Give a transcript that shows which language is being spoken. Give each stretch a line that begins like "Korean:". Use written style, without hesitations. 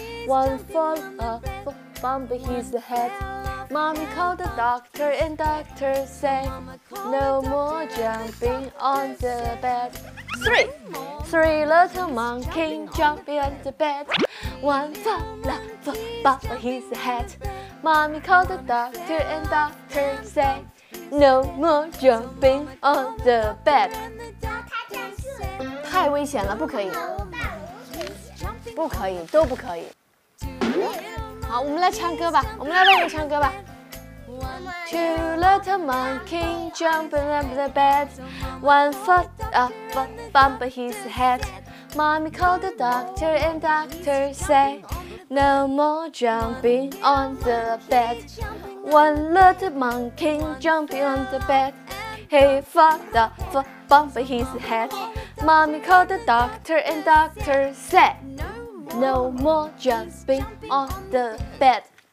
English: One fall off, bumped his head. Mommy called the doctor, and doctor said, "No more jumping on the bed." Three little monkeys jumping on the bed. One fall off, bumped his head. Mommy called the doctor and doctor said No more jumping on the bed
Chinese: 太危险了，不可以，不可以，都不可以。好，我们来唱歌吧，我们来练练唱歌吧。
English: Two little monkeys jumping up the bed One foot up bump his head Mommy called the doctor and doctor said No more jumping on the bed One little monkey jumping on the bed He fucked up bump his head Mommy called the doctor and doctor said No more jumping on the bed